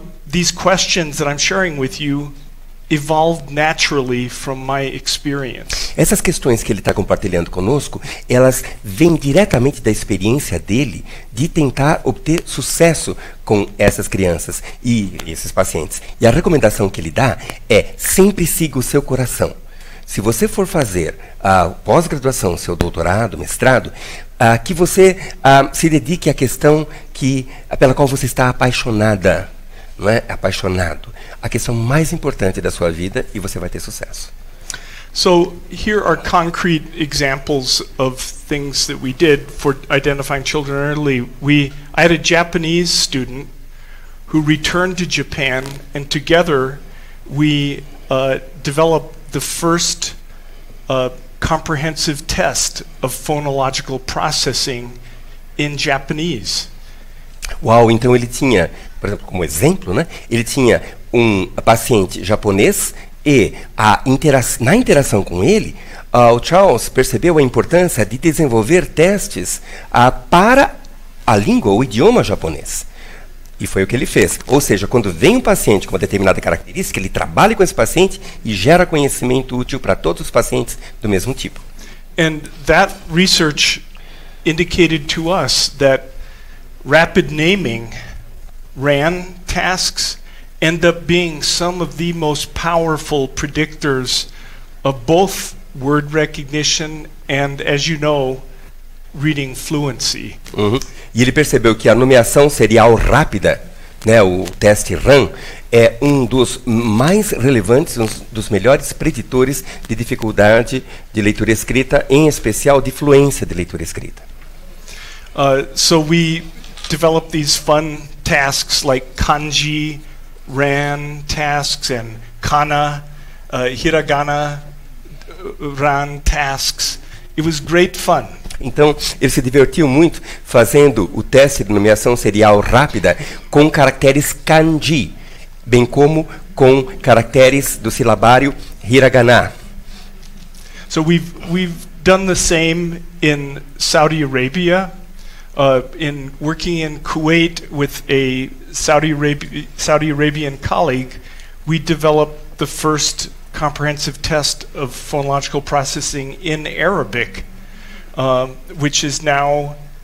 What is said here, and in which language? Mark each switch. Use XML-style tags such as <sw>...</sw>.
<en>These questions that I'm sharing with you evolved naturally from my experience.</en> <pt>Essas questões que ele está compartilhando conosco, elas vêm diretamente da experiência dele de tentar obter sucesso com essas crianças e esses pacientes. E a recomendação que ele dá é: sempre siga o seu coração. Se você for fazer a pós-graduação, seu doutorado, mestrado, que você se dedique à questão pela qual você está apaixonada. Não é? Apaixonado. A questão mais importante da sua vida e você vai ter sucesso.</pt> <en>So, here are concrete examples of things that we did for identifying children early. I had a Japanese student who returned to Japan and together we developed the first comprehensive test of phonological processing in Japanese.</en> <pt>Uau, então ele tinha, por exemplo, como exemplo, né? Ele tinha um paciente japonês e na interação com ele, o Charles percebeu a importância de desenvolver testes para a língua, o idioma japonês. E foi o que ele fez. Ou seja, quando vem um paciente com uma determinada característica, ele trabalha com esse paciente e gera conhecimento útil para todos os pacientes do mesmo tipo.</pt> <en>And that research indicated to us that rapid naming RAN tasks end up being some of the most powerful predictors of both word recognition and, as you know, reading fluency. Uhum.</en> <pt>E ele percebeu que a nomeação serial rápida, né, o teste RAM, é um dos mais relevantes, um dos melhores preditores de dificuldade de leitura escrita, em especial de fluência de leitura escrita.</pt> <en>So we developed these fun tasks like kanji, ran tasks and kana, hiragana, ran tasks. It was great fun.</en> <pt>Então, ele se divertiu muito fazendo o teste de nomeação serial rápida com caracteres kanji, bem como com caracteres do silabário hiragana.</pt> <en>So we've done the same in Saudi Arabia, in working in Kuwait with a Saudi Arabian colleague, we developed the first comprehensive test of phonological processing in Arabic, which is now,</en>